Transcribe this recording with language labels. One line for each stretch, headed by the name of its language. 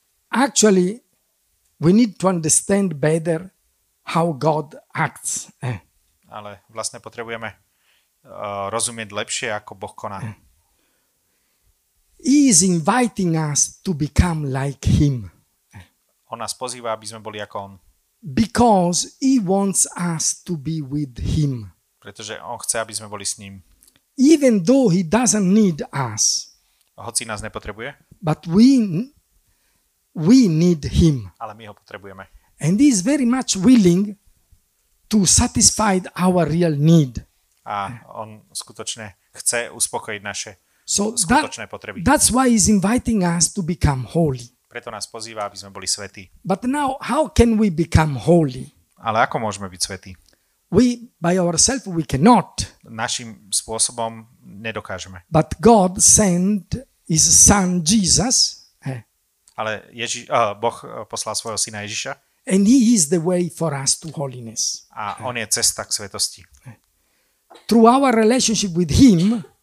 English: Actually, we need to understand better how God acts.
Slovak: Ale vlastne potrebujeme rozumieť lepšie, ako Boh koná.
English: He is inviting us to become like him.
Slovak: On nás pozýva, aby sme boli ako on.
English: Because he wants us to be with him.
Slovak: Pretože on chce, aby sme boli s ním.
English: Even though he doesn't need us.
Slovak: Hoci nás nepotrebuje.
English: But we need him.
Slovak: Ale my ho potrebujeme.
English: And he is very much willing to satisfy our real need.
Slovak: A on skutočne chce uspokojiť naše skutočné potreby.
English: That's why he's inviting us to become holy.
Slovak: Preto nás pozýva, aby sme boli svätí.
English: But now, how can we become holy?
Slovak: Ale ako môžeme byť svätí?
English: We by ourselves we cannot.
Slovak: Našim spôsobom nedokážeme.
English: But God sent his son Jesus.
Slovak: Ale Boh poslal svojho syna Ježiša.
English: And he is the way for us to holiness.
Slovak: A on je cesta k svetosti.
English: Through our relationship with him,